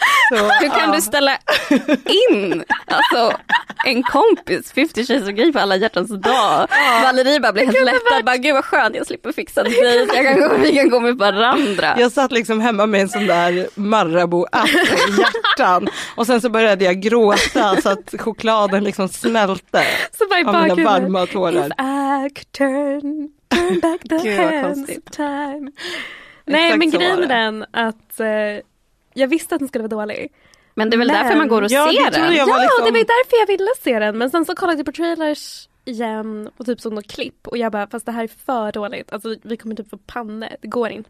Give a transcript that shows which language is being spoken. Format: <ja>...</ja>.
<sv>Hur kan du ställa in alltså, en kompis 50 Shades of Grey på Alla hjärtans dag? Valerie bara blir helt lättad, bara, gud vad skönt, jag slipper fixa dig, vi kan gå med varandra. Jag satt liksom hemma med en sån där Marabou-app i hjärtan och sen så började jag gråta så att chokladen liksom smälte så bara av mina varma tårar.</sv> <en>Turn back the hands of time.</en> <sv>Nej, exakt, men grejen är den att jag visste att den skulle vara dålig. Men det är väl därför man går och ser den? Ja, liksom, det var därför jag ville se den. Men sen så kollade jag på trailers igen och typ såg något klipp. Och jag bara, fast det här är för dåligt. Alltså vi kommer typ få panne, det går inte.</sv>